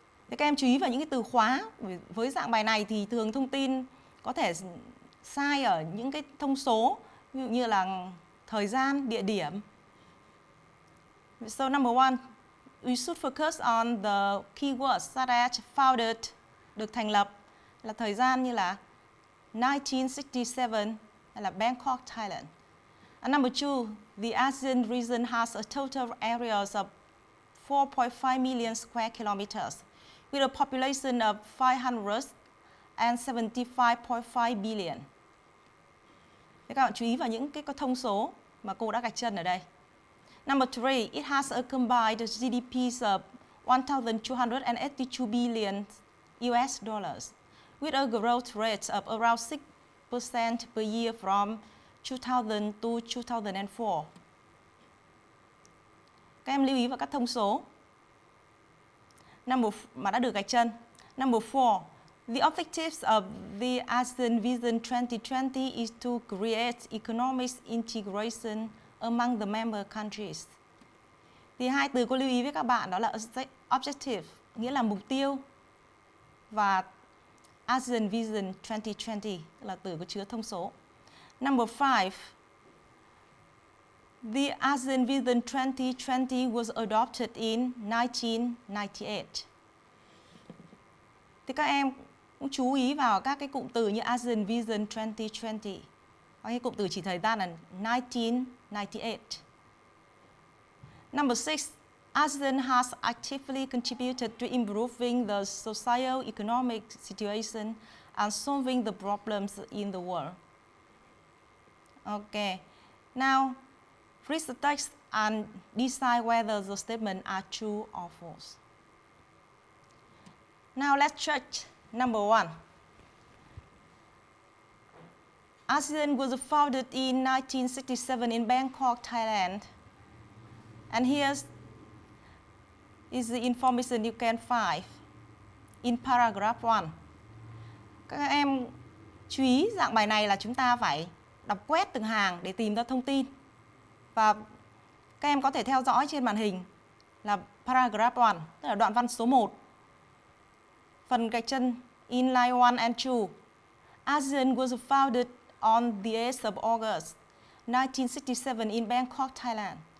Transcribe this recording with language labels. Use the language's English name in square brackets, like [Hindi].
[Vietnamese] Thì các em chú ý vào những cái từ khóa. Với dạng bài này thì thường thông tin có thể sai ở những cái thông số, ví dụ như là thời gian, địa điểm. [English] So number one, we should focus on the keywords that are founded, [Vietnamese] được thành lập, là thời gian như là [English] 1967, [Vietnamese] hay là [English] Bangkok, Thailand. And number two, the ASEAN region has a total area of 4.5 million square kilometers, with a population of 575.5 billion. [Vietnamese] Thế các bạn chú ý vào những cái thông số mà cô đã gạch chân ở đây. [English] Number 3, it has a combined GDP of 1,282 billion US dollars with a growth rate of around 6% per year from 2000 to 2004. [Vietnamese] Các em lưu ý vào các thông số. Number mà đã được gạch chân. [English] Number 4, the objectives of the ASEAN Vision 2020 is to create economic integration among the member countries. [Vietnamese] Thì hai từ cô lưu ý với các bạn đó là objective, nghĩa là mục tiêu, và ASEAN Vision 2020 là từ có chứa thông số. [English] Number 5. The ASEAN Vision 2020 was adopted in 1998. [Vietnamese] Thì các em cũng chú ý vào các cái cụm từ như ASEAN Vision 2020. Có cái cụm từ chỉ thời gian là 1998. [English] Number 6, ASEAN has actively contributed to improving the socio-economic situation and solving the problems in the world. Okay. Now, read the text and decide whether the statements are true or false. Now let's check number one. ASEAN was founded in 1967 in Bangkok, Thailand. And here is the information you can find in paragraph one. [Vietnamese] Các em chú ý dạng bài này là chúng ta phải đọc quét từng hàng để tìm ra thông tin. Và các em có thể theo dõi trên màn hình là paragraph 1, tức là đoạn văn số 1. Phần gạch chân [English] in line 1 and 2. ASEAN was founded on the 8th of August 1967 in Bangkok, Thailand.